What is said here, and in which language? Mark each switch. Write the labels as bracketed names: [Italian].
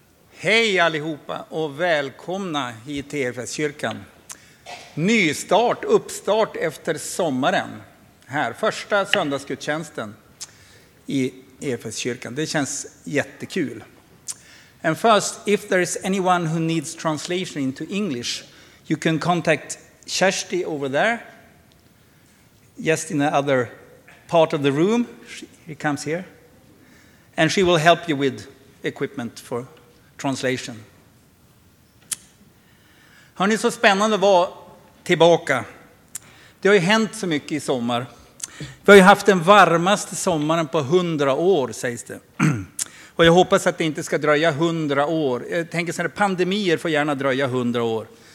[Swedish] Hej allihopa och välkomna hit till EFS-kyrkan. Nystart, uppstart efter sommaren. Här, första söndagsgudstjänsten i EFS-kyrkan. Det känns jättekul. [English] And first, if there is anyone who needs translation into English, you can contact Kersti over there. Just in the other part of the room. She comes here. And she will help you with equipment for translation. [Swedish] Hörrni, så spännande att vara tillbaka. Det har ju hänt så mycket i sommar. Vi har ju haft den varmaste sommaren på 100 år, sägs det. Och jag hoppas att det inte ska dröja 100 år. Jag tänker så här, pandemier får gärna dröja 100 år.